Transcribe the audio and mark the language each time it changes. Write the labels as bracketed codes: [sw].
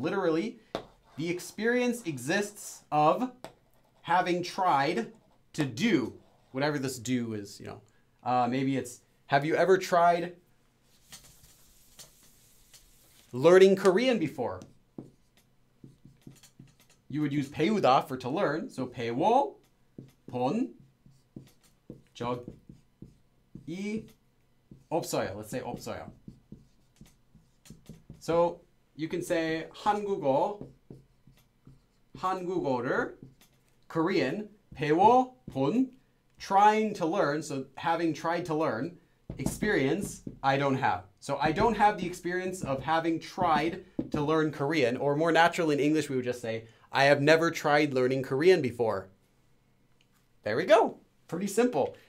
[en] Literally, the experience exists of having tried to do whatever this do is, you know. Maybe it's, have you ever tried learning Korean before? You would use 배우다 for to learn. [ko] So 배워본 적이 없어요. [en] Let's say 없어요. So you can say 한국어를 Korean 배워본 trying to learn, so having tried to learn, experience I don't have. So I don't have the experience of having tried to learn Korean, or more natural in English, we would just say, I have never tried learning Korean before. There we go. Pretty simple.